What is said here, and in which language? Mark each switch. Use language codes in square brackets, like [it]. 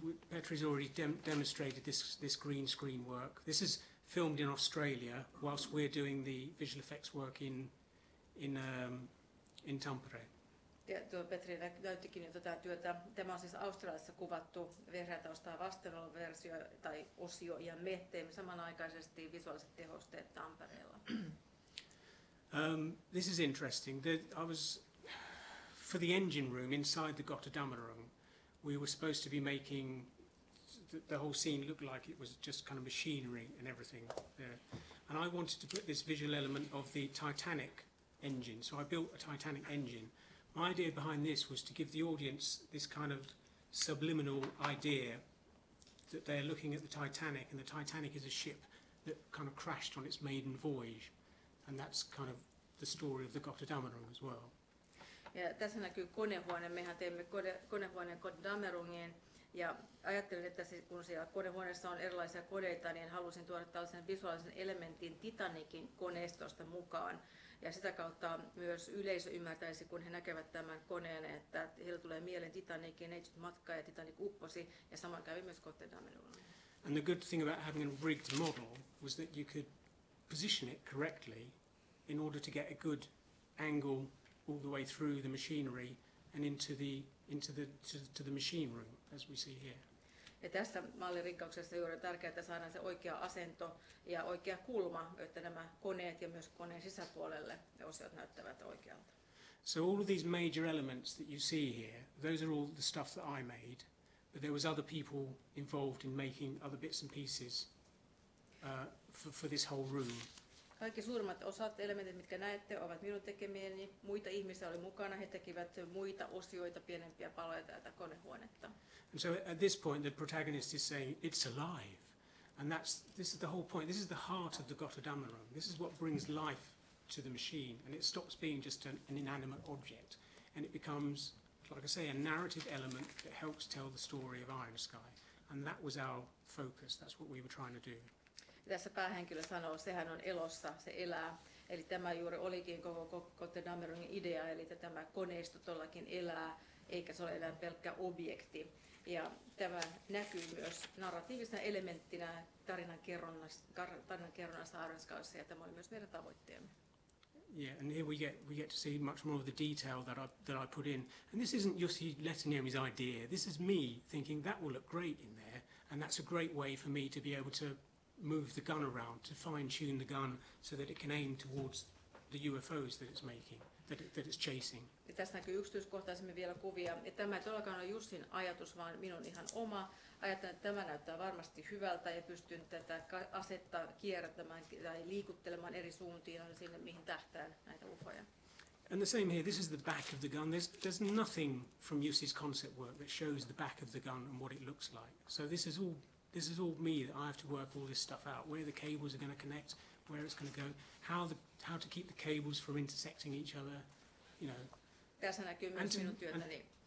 [en] Petri's already demonstrated this green screen work. This is filmed in Australia whilst we're doing the visual effects work in Tampere. [fi] Ja tuo Petri näyttikin jo tätä työtä. Tämä on siis Australiassa kuvattu vihreätaustaa vastenolla versio tai osio, ja me teemme samanaikaisesti visuaaliset tehosteet Tampereella. [en] This is interesting. I was for the engine room inside the Gotterdammerung. We were supposed to be making the whole scene look like it was just kind of machinery and everything there. And I wanted to put this visual element of the Titanic engine. So I built a Titanic engine. My idea behind this was to give the audience this kind of subliminal idea that they're looking at the Titanic, and the Titanic is a ship that kind of crashed on its maiden voyage, and that's kind of the story of the Gotterdammerung as well. [fi] Ja tässä näkyy konehuone. Mehän teemme konehuoneen Gotterdammerungiin, ja ajattelin, että kun siellä konehuoneessa on erilaisia koneita, niin halusin tuoda tällaisen visuaalisen elementin Titanicin koneistosta mukaan. Ja sitä kautta myös yleisö ymmärtäisi, kun he näkevät tämän koneen, että heille tulee mieleen Titanicin neitsyt matka ja Titanic upposi, ja saman kävi myös Gotterdammerungilla. [en] And the good thing about having a rigged model was that you could position it correctly in order to get a good angle all the way through the machinery and into the machine room, as we see here. [fi] Ja tässä mallirikkauksessa juuri on tärkeää, että saadaan se oikea asento ja oikea kulma, että nämä koneet ja myös koneen sisäpuolelle ne osiot näyttävät oikealta. [en] So all of these major elements that you see here, those are all the stuff that I made, but there was other people involved in making other bits and pieces for this whole room. [fi] Kaikki suurimmat osat, elementit, mitkä näette, ovat minun tekemieni. Muita ihmisiä oli mukana. He tekivät muita osioita, pienempiä paloja tätä konehuonetta. [en] And so at this point the protagonist is saying, it's alive. And this is the whole point. This is the heart of the Gotterdammerung. This is what brings life to the machine. And it stops being just an inanimate object. And it becomes, like I say, a narrative element that helps tell the story of Iron Sky. And that was our focus. That's what we were trying to do. [fi] Tässä päähenkilö sanoo, sehän on elossa, se elää. Eli tämä juuri olikin koko Gotterdammerungin idea, eli että tämä koneisto todellakin elää, eikä se ole enää pelkkä objekti. Ja tämä näkyy myös narratiivisena elementtinä tarinankerronnassa Iron Skyssa, ja tämä oli myös meidän tavoitteemme. [en] Yeah, and here we get to see much more of the detail that I put in. And this isn't Jussi Letaniemi's idea. This is me thinking that will look great in there, and that's a great way for me to be able to move the gun around, to fine-tune the gun so that it can aim towards the UFOs that it's making, that it's chasing. [fi] Ja tässä näkyy yksityiskohtaisemmin vielä kuvia. Ja tämä ei todellakaan ole Jussin ajatus, vaan minun ihan oma. Ajattelen, että tämä näyttää varmasti hyvältä ja pystyn tätä asetta kierrättämään tai liikuttelemaan eri suuntiin sinne, mihin tähtään näitä ufoja. [en] And the same here, this is the back of the gun. There's nothing from Jussi's concept work that shows the back of the gun and what it looks like. So this is all me, that I have to work all this stuff out, where the cables are going to connect, where it's going to go, how to keep the cables from intersecting each other, you know. [fi] Tässä näkyy myös minun työtäni.